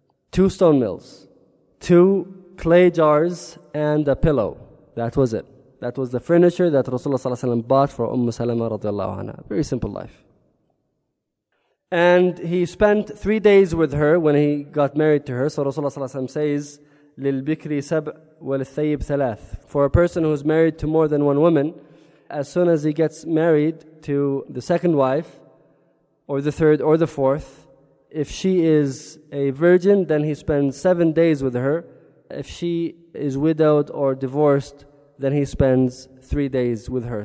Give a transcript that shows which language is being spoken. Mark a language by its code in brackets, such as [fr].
[en] Two stone mills, two clay jars, and a pillow. That was it. That was the furniture that Rasulullah [ar] صلى الله عليه وسلم [en] bought for Umm Salama radiallahu anha. Very simple life. And he spent 3 days with her when he got married to her. So [ar] Rasulullah صلى الله عليه وسلم [en] says, [ar] لِلْبِكْرِ سَبْعْ وَلِلْثَيِّبْ ثَلَاثْ. [en] For a person who is married to more than one woman, as soon as he gets married to the second wife, or the third, or the fourth, if she is a virgin, then he spends 7 days with her. If she is widowed or divorced, then he spends 3 days with her.